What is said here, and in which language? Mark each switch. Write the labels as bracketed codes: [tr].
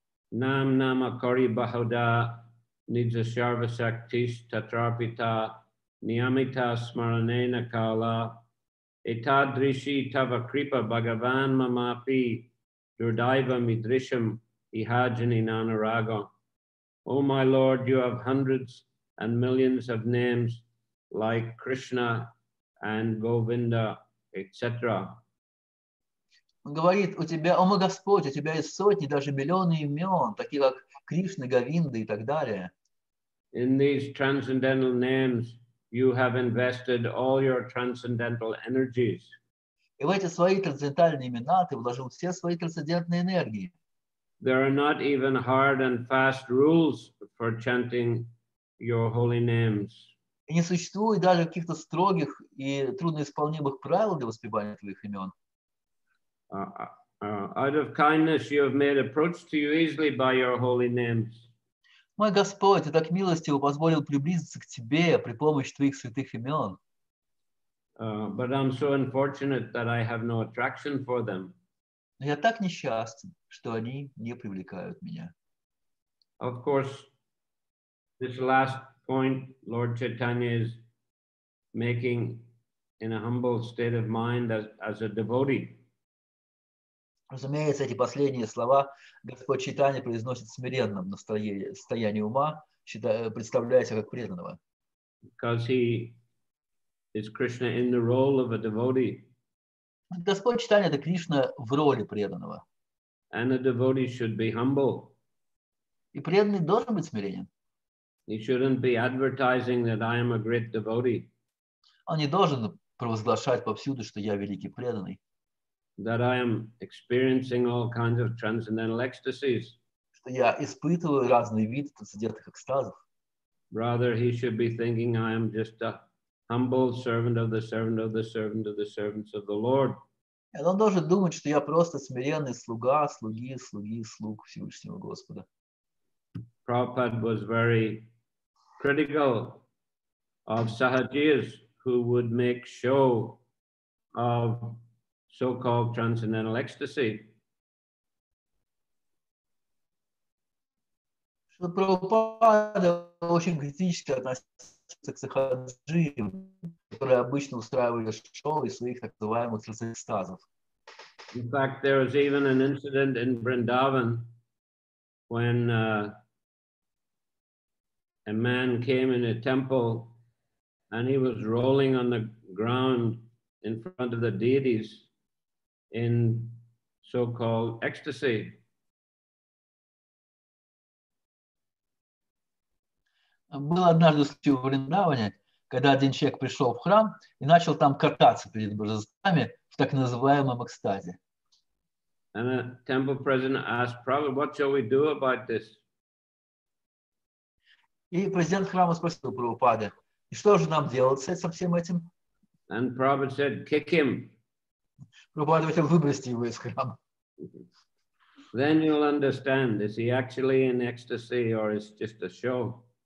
[sa] Нам нама кори бахуда нидзе шарвасактиш татрапита ниамита смаранена кала этадриши тава крипа бхагаван мамапи дурдайва мидришам ихаджани нанарага. [en] Oh my Lord, you have hundreds and millions of names like Krishna and Govinda, etc. [ru] Он говорит, у тебя, о мой Господь, у тебя есть сотни, даже миллионы имен, такие как Кришна, Говинда и так далее. [en] In these transcendental names, you have invested all your transcendental energies. [ru] И в эти свои трансцендентальные имена ты вложил все свои трансцендентные энергии. [en] There are not even hard and fast rules for chanting your holy names. [ru] И не существует даже каких-то строгих и трудноисполнимых правил для воспевания твоих имен. [en] Out of kindness, you have made approach to you easily by your holy names. [ru] Мой Господь, ты так милостиво позволил приблизиться к тебе при помощи твоих святых имен. [en] But I'm so unfortunate that I have no attraction for them. [ru] Но я так несчастен, что они не привлекают меня. [en] Of course, this last point Lord Chaitanya is making in a humble state of mind as a devotee. [ru] Разумеется, эти последние слова Господь Чайтанья произносит в смиренном состоянии ума, представляя себя как преданного. [en] Because he is Krishna in the role of a devotee. [ru] Господь Чайтанья — это Кришна в роли преданного. [en] And a devotee should be humble. [ru] И преданный должен быть смиренен. [en] He shouldn't be advertising that I am a great devotee. [ru] Он не должен провозглашать повсюду, что я великий преданный. [en] That I am experiencing all kinds of transcendental ecstasies. [ru] Что я испытываю разные виды трансцендентных экстазов. [en] Rather, he should be thinking I am just a humble servant of the servant of the servant of the servants of the Lord. [ru] Он должен думать, что я просто смиренный слуга, слуги, слуги, слуг Всевышнего Господа. [en] Prabhupada was very critical of sahajiyas who would make show of so-called transcendental ecstasy. [ru] Что Прабхупада очень критически относился к сахаджиям, которые обычно устраивали шоу из своих так называемых экстазов. [en] In fact, there was even an incident in Vrindavan when a man came in a temple and he was rolling on the ground in front of the deities in so-called ecstasy. [ru] Был однажды случай в Вриндаване, когда один человек пришел в храм и начал там кататься перед божествами в так называемом экстазе. [en] And the temple president asked Prabhupada, what shall we do about this? [ru] И президент храма спросил Прабхупада, и что же нам делать со всем этим? [en] And Prabhupada said, kick him. [ru] Прабхупада хотел выбросить его из храма. [en] Then you'll understand, is he actually in ecstasy or is just a show?